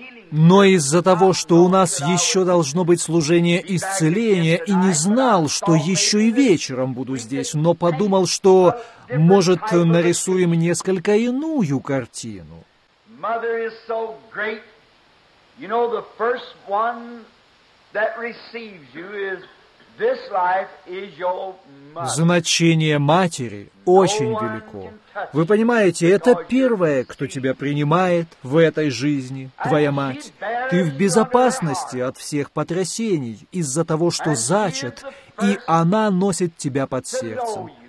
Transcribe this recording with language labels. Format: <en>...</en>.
<ru>Но из-за того, что у нас еще должно быть служение исцеления, и не знал, что еще и вечером буду здесь, но подумал, что, может, нарисуем несколько иную картину.</ru> <en>Mother is so great. You know, the first one that receives you is this life is your mother.</en> <ru>Значение матери очень велико. Вы понимаете, это первое, кто тебя принимает в этой жизни, твоя мать. Ты в безопасности от всех потрясений из-за того, что зачат, и она носит тебя под сердцем.</ru>